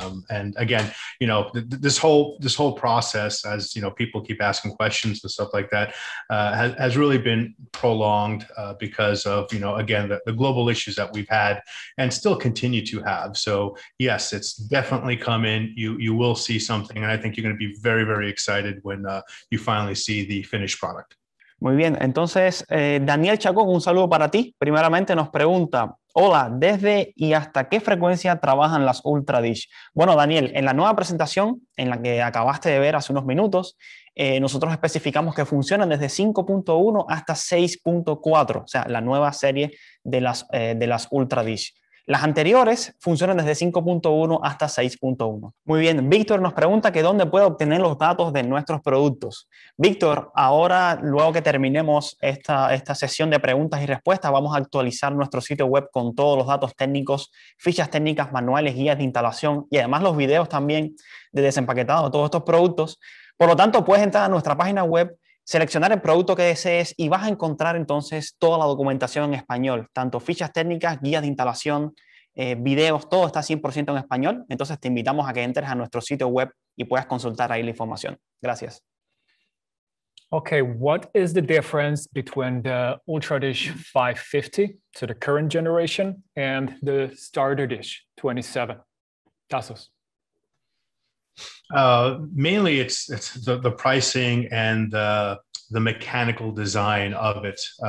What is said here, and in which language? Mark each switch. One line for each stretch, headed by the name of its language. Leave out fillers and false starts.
English: And again, you know, this whole process, as you know, people keep asking questions and stuff like that, has really been prolonged because of, you know, again, the global issues that we've had and still continue to have. So yes, it's definitely coming. You will see something. And I think you're going to be very, very excited when you finally see the finished product.
Spanish: Muy bien, entonces Daniel Chacón, un saludo para ti. Primeramente nos pregunta, hola, ¿desde y hasta qué frecuencia trabajan las UltraDish? Bueno, Daniel, en la nueva presentación, en la que acabaste de ver hace unos minutos, nosotros especificamos que funcionan desde 5.1 hasta 6.4, o sea, la nueva serie de las UltraDish. Las anteriores funcionan desde 5.1 hasta 6.1. Muy bien, Víctor nos pregunta que dónde puede obtener los datos de nuestros productos. Víctor, ahora, luego que terminemos esta sesión de preguntas y respuestas, vamos a actualizar nuestro sitio web con todos los datos técnicos, fichas técnicas, manuales, guías de instalación y además los videos también de desempaquetado de todos estos productos. Por lo tanto, puedes entrar a nuestra página web, seleccionar el producto que desees y vas a encontrar entonces toda la documentación en español, tanto fichas técnicas, guías de instalación, videos, todo está 100% en español. Entonces te invitamos a que entres a nuestro sitio web y puedas consultar ahí la información. Gracias.
English: Okay, what is the difference between the UltraDish 550, so the current generation, and the StarterDish 27? Tassos. Mainly it's the pricing and the mechanical design of it.